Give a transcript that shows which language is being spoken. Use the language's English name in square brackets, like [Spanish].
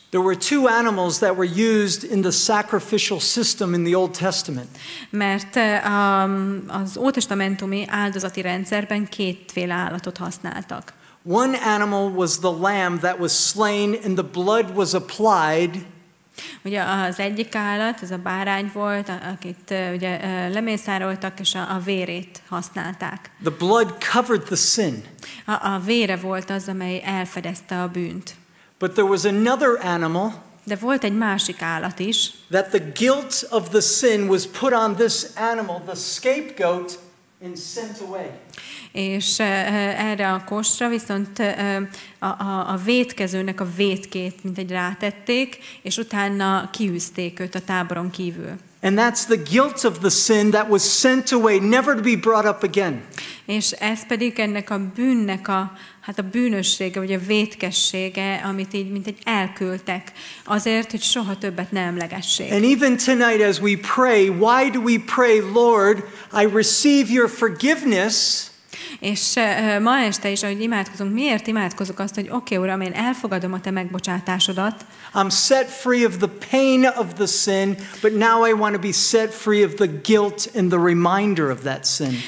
[English] There were two animals that were used in the sacrificial system in the Old Testament. [Hungarian] Mert az ótestamentumi áldozati rendszerben kétféle állatot használtak. [English] One animal was the lamb that was slain and the blood was applied. [Hungarian] Ugye az egyik állat, ez a bárány volt, akit ugye lemészároltak és a vérét használták. [English] The blood covered the sin. [Hungarian] A vére volt az, amely elfedezte a bűnt. [English] But there was another animal. [Hungarian] De volt egy másik állat is. [English] That the guilt of the sin was put on this animal, the scapegoat, and sent away. [Hungarian] És erre a kosra viszont a vétkezőnek a vétkét mint egy rátették, és utána kiűzték őt a táboron kívül. [English] And that's the guilt of the sin that was sent away, never to be brought up again. [Hungarian] És ez pedig ennek a bűnnek a hát a bűnössége, vagy a vétkessége, amit így, mint egy elküldtek, azért, hogy soha többet ne emlegessék. [English] And even tonight as we pray, why do we pray, Lord, I receive your forgiveness. [Hungarian] És ma este is, ahogy imádkozunk, miért imádkozunk azt, hogy oké, Uram, én elfogadom a te megbocsátásodat. [English] I'm set free of the pain of the sin, but now I want to be set free of the guilt and the reminder of that sin.